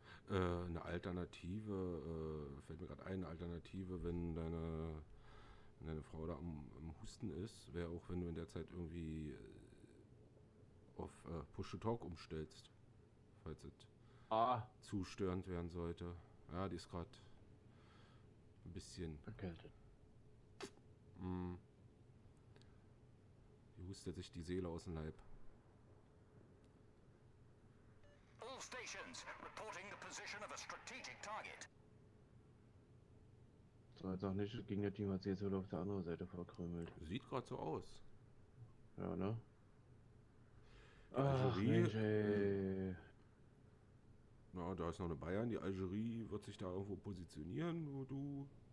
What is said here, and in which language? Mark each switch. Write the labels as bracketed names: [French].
[German] Eine Alternative, fällt mir gerade ein, eine Alternative, wenn deine Frau da am Husten ist, wäre auch, wenn du in der Zeit irgendwie auf Push-to-Talk umstellst, falls es zu störend werden sollte. Ja, die ist gerade ein bisschen erkältet. Die hustet sich die Seele aus dem Leib. [English] All stations reporting the position of a strategic target. [German] So, jetzt auch nicht, das Gegnerteam hat sich jetzt wohl auf der anderen Seite verkrümelt. Sieht gerade so aus. Ja, ne? Algerie. Mensch, na, da ist noch eine Bayern, die Algerie wird sich da irgendwo positionieren, wo du.